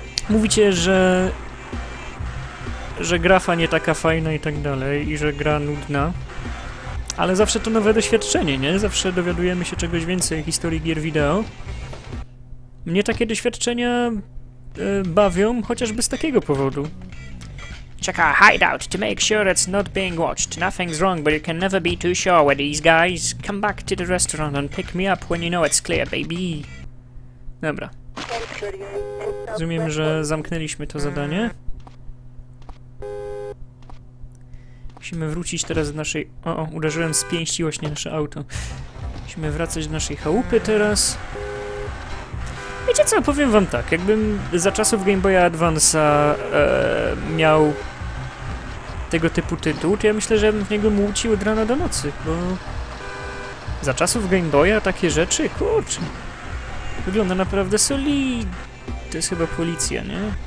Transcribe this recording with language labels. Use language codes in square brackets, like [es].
[pl] Mówicie, że grafa nie taka fajna i tak dalej i że gra nudna. Ale zawsze to nowe doświadczenie, nie? Zawsze dowiadujemy się czegoś więcej o historii gier wideo. Mnie takie doświadczenia bawią chociażby z takiego powodu. [en] Check our hideout to make sure it's not being watched. Nothing's wrong, but you can never be too sure where these guys come back to the restaurant and pick me up when you know it's clear, baby. [pl] Dobra. Rozumiem, że zamknęliśmy to zadanie. Musimy wrócić teraz do naszej... O, uderzyłem z pięści właśnie nasze auto. Musimy wracać do naszej chałupy teraz. Wiecie co, powiem wam tak, jakbym za czasów Game Boya Advance'a miał tego typu tytuł, to ja myślę, że bym w niego młócił od rana do nocy, bo za czasów Game Boya takie rzeczy, kurczę, wygląda naprawdę solidnie. To jest chyba policja, nie?